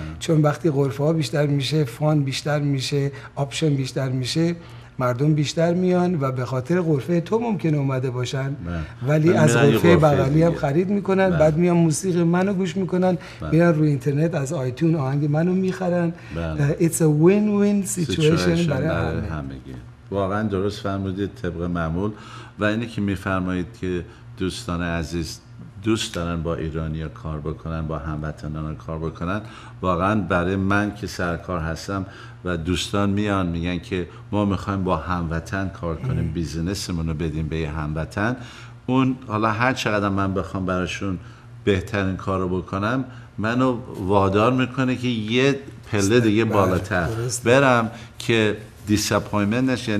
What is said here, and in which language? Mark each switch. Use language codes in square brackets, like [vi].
[fa] چون وقتی غرفه ها بیشتر میشه، فان بیشتر میشه، آپشن بیشتر میشه، مردم بیشتر میان و به خاطر غرفه تو ممکنه اومده باشن، ولی از غرفه بغلی هم خرید میکنن، بعد میان موسیقی منو گوش میکنن، میان روی اینترنت از آیتون آهنگ منو میخرن. [en] It's a win-win situation [fa] برای همه. واقعا درست فرمودید طبق معمول. و اینه که میفرمایید که دوستان عزیز دوست دارن با ایرانی ها کار بکنن، با هموطنان ها کار بکنن، واقعا برای من که سرکار هستم و دوستان میان میگن که ما میخوایم با هموطن کار کنیم، بیزنسمون رو بدیم به یه هموطن، اون حالا هر چقدر من بخوام براشون بهترین کار رو بکنم، منو وادار میکنه که یه پله دیگه بالاتر برم که دیساپوینمنت نشه.